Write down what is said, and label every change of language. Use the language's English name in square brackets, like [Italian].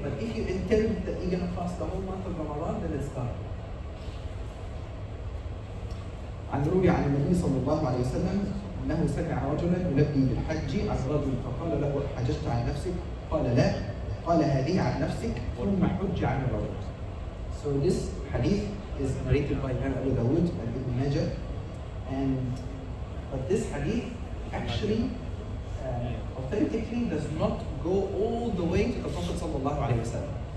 [English] But if you intend that you're going to fast the whole month of Ramadan, then it's done. [Arabic] عن روي عن النبي صلى الله عليه وسلم أنه سمع رجلا يلبي بالحج عن رجل فقال له حججت عن نفسك قال لا قال هذه عن نفسك ثم حج عن الرجل. [English] So this hadith is narrated by Imam Abu Dawud and Ibn Majah, but this hadith actually authentically does not go all the way to the Prophet صلى الله عليه وسلم.